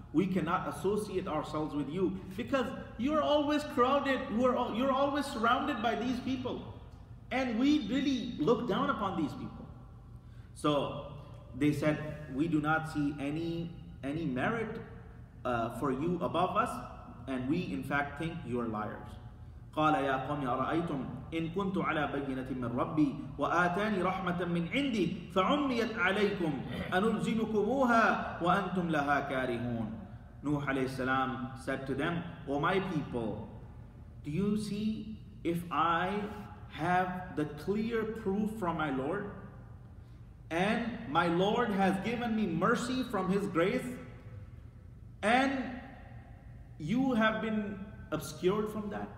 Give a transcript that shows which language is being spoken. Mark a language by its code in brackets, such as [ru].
[en] We cannot associate ourselves with you because you're always crowded, you're always surrounded by these people. And we really look down upon these people. So they said, we do not see any merit for you above us, and we in fact think you're liars. [ar] قال يا قوم أرأيتم إن كنت على بينة من ربي وآتاني رحمة من عندي فعميت عليكم أنلزمكموها وأنتم لها كارهون. [en] Nuh alayhi salam said to them, O my people, do you see if I have the clear proof from my Lord, and my Lord has given me mercy from his grace, and you have been obscured from that?